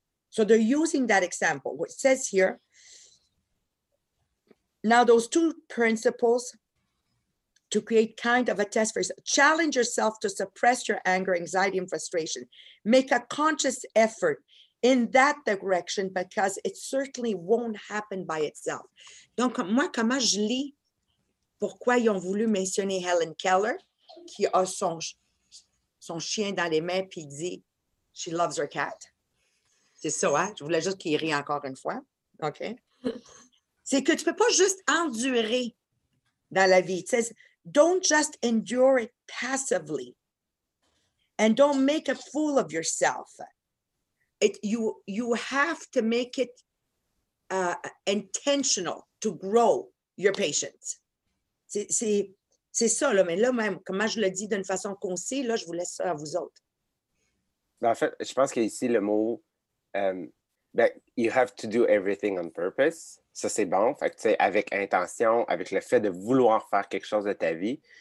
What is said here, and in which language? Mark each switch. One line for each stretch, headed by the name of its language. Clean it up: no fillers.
English: So they're using that example, which says here, now those two principles to create kind of a test for yourself. Challenge yourself to suppress your anger, anxiety, and frustration. Make a conscious effort in that direction because it certainly won't happen by itself.
French: Donc, moi, comment je lis pourquoi ils ont voulu mentionner Helen Keller, qui a son chien dans les mains, puis dit,
English: she loves her cat.
French: C'est ça, hein? Je voulais juste qu'il rie encore une fois. OK? C'est que tu peux pas juste endurer dans la vie.
English: It says, don't just endure it passively. And don't make a fool of yourself. You have to make it intentional to grow your patience.
French: C'est ça, là. Mais là, même, comment je le dis d'une façon concise, là, je vous laisse ça à vous autres. Ben, en fait, je pense qu'ici, le mot,
English: you have to do everything on purpose.
French: Ça, c'est bon. Fait que, tu sais, avec intention, avec le fait de vouloir faire quelque chose de ta vie.